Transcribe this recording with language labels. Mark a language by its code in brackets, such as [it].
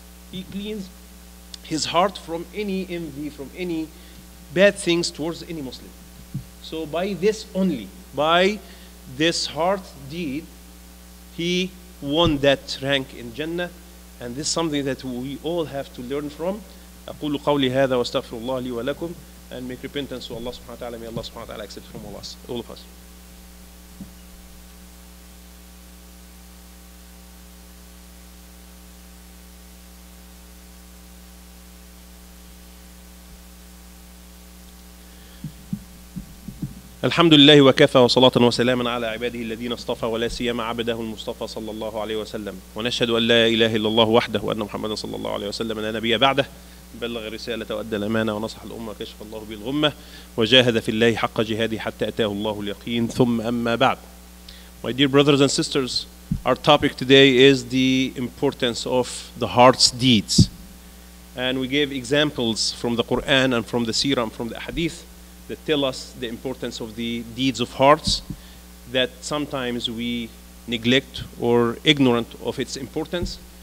[en] He cleans his heart from any envy, from any bad things towards any Muslim. So by this only, by this heart deed, he won that rank in Jannah. And this is something that we all have to learn from. [ar] أقول قولي هذا واستغفر الله لي ولكم. [en] And make repentance to Allah subhanahu wa ta'ala. May Allah subhanahu wa ta'ala accept from all of us. [ar] الحمد لله وكفى وصلاة وسلام على عباده الذين اصطفى ولا سيما عبده المصطفى صلى الله عليه وسلم. ونشهد أن لا إله إلا الله وحده وأن محمد صلى الله عليه وسلم لا نبي بعده. بلغ رسالة وأدى الأمانة ونصح الأمة وكشف الله بالغمة وجاهد في الله حق جهاده حتى أتاه الله اليقين ثم أما بعد. [en] My dear brothers and sisters, our topic today is the importance of the heart's deeds. And we gave examples from the Quran and from the Seerah and from the Hadith that tell us the importance of the deeds of hearts, that sometimes we neglect or ignorant of its importance.